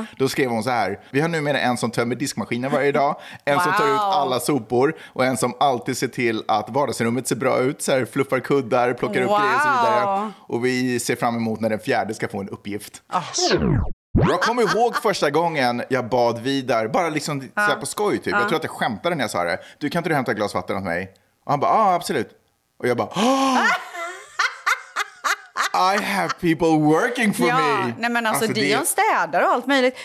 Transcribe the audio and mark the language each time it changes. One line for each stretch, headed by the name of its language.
Swedish: Då skrev hon så här: vi har numera en som tömmer diskmaskinen varje dag, en som tar ut alla sopor och en som alltid ser till att vardagsrummet ser bra ut, så här, fluffar kuddar, plockar upp grejer och så vidare. Och vi ser fram emot när den fjärde ska få en uppgift. Jag kommer ihåg första gången jag bad Vidar, bara liksom så här på skoj typ. Jag tror att jag skämtade när jag sa det: du, kan inte du hämta ett glas vatten åt mig? Och han bara, absolut. Och jag bara,
English: I have people working for me.
Swedish: Nej, men alltså Dion städar och allt möjligt.